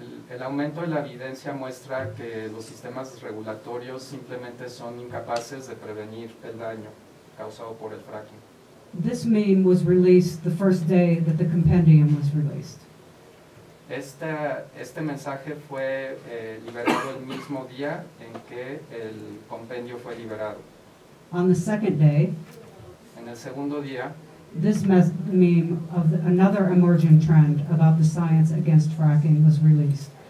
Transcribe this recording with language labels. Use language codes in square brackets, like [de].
[es] El aumento de la evidencia muestra que los sistemas regulatorios simplemente son incapaces de prevenir el daño causado por el fracking. [en] This meme was released the first day that the compendium was released. [es] Este mensaje fue liberado el mismo día en que el compendio fue liberado. [en] On the second day, [es] en el segundo día, [en] this meme of another emerging trend about the science against fracking was released.